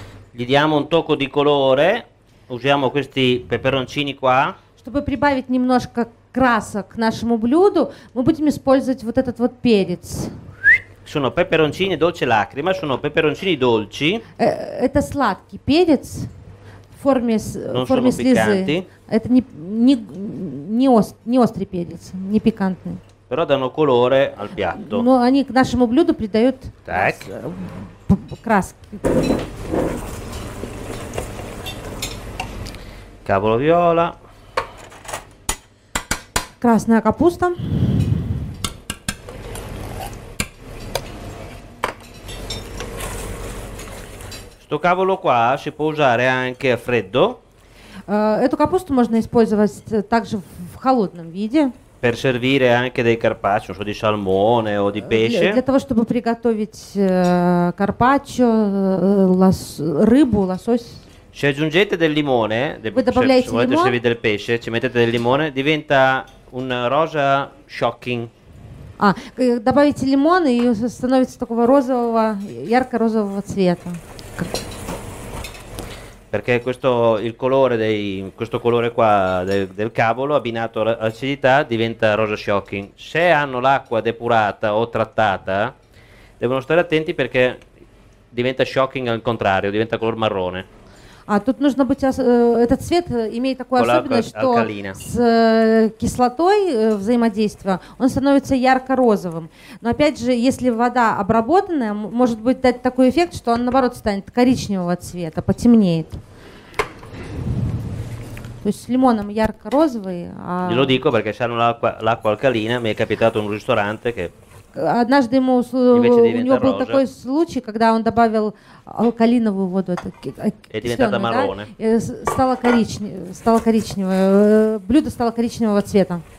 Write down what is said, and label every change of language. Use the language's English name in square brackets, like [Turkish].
[Italian] gli diamo un tocco di colore, usiamo questi peperoncini qua. [Russian] Чтобы прибавить немножко красок к нашему блюду, мы будем использовать вот этот вот перец. [Italian] Sono peperoncini dolce lacrima, sono peperoncini dolci. [Russian] Это сладкий перец в форме слезы. Пиканти. Это не острый перец, не пикантный. [Italian] Però danno colore al piatto. [Russian] Но они к нашему блюду придают так. Краски. [Italian] Cavolo viola. [Russian] Красная капуста. [Italian] Sto cavolo qua si può usare anche a freddo. [Russian] Эту капусту можно использовать также в холодном виде. [Italian] Per servire anche dei carpaccio, non so, di salmone o di pesce. [Russian] Для того, чтобы приготовить карпаччо, рыбу, лосось. [Italian] Ci aggiungete del limone, se volete servire del pesce, ci mettete del limone, diventa un rosa shocking. [Russian] Ah, добавите лимон и становится такого розового, ярко-розового цвета. [Italian] Perché questo il colore dei questo colore qua del cavolo abbinato all'acidità diventa rosa shocking. Se hanno l'acqua depurata o trattata, devono stare attenti perché diventa shocking al contrario, diventa color marrone. [Russian] А тут нужно быть этот цвет имеет такую особенность, что с кислотой взаимодействия он становится ярко-розовым. Но опять же, если вода обработанная, может быть дать такой эффект, что он наоборот станет коричневого цвета, потемнеет. То есть с лимоном ярко-розовый. [Italian] Не lo dico perché c'è l'acqua alcalina, mi è capitato in un ristorante che [Russian] однажды ему, у него был такой случай, когда он добавил алкалиновую воду, стало коричневое, блюдо стало коричневого цвета.